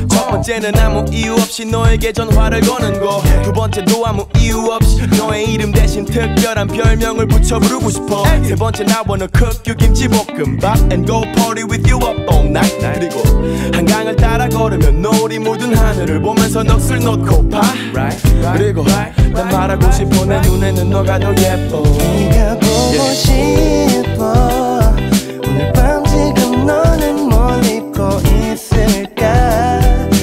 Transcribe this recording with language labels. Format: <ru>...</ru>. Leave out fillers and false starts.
<ko>첫 번째는 아무 이유 없이 너에게 전화를 거는 거. 두 번째도 아무 이유 없이 너의 이름 대신 특별한 별명을 붙여 부르고 싶어. 세 번째</ko> <en>I wanna cook you 김치볶음밥 and go party with you up all night.</en> <ko>그리고 한강을 따라 걸으면 노을이 묻은 하늘을 보면서 넋을 놓고 봐. 그리고 난 말하고 싶어 내 눈에는 너가 더 예뻐. 네가 보고 싶어. 오늘 밤 지금 너는 뭘 입고 있을까.</ko>